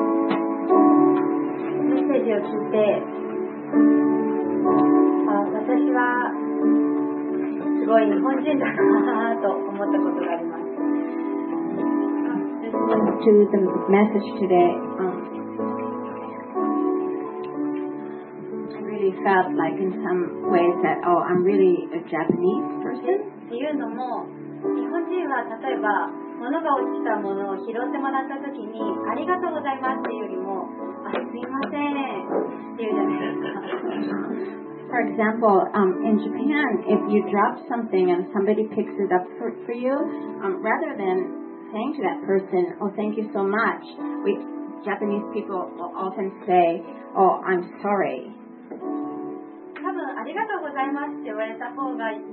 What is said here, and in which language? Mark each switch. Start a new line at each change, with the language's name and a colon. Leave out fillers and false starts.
Japanese: を聞いて、私はすごい日本人だなと思ったことがあります。
English: To the message today、I really felt like in some ways that oh I'm really a Japanese person。
Japanese: っていうのも日本人は例えば物が落ちたものを拾ってもらったときにありがとうございますっていうよりもあすいませんって言うじゃないですか。
English: For example, in Japan, if you drop something and somebody picks it up for you, rather than saying to that person, oh, thank you so much, we Japanese people will often say, oh, I'm sorry.
Japanese: 多分ありがとうございますって言われた方が